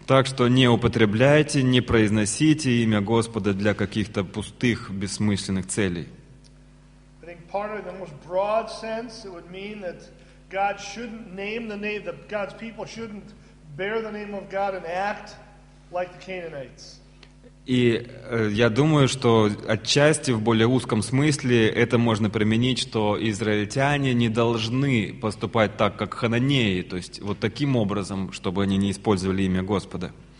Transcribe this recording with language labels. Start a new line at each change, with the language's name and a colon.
Russian: Так что не употребляйте, не произносите имя Господа для каких-то пустых, бессмысленных целей.
English: I think part of the most broad sense it would mean that God shouldn't name the name, that God's people shouldn't bear the name of God and act like the Canaanites.
Russian: И я думаю, что отчасти в более узком смысле это можно применить, что израильтяне не должны поступать так, как хананеи, то есть вот таким образом, чтобы они не использовали имя Господа.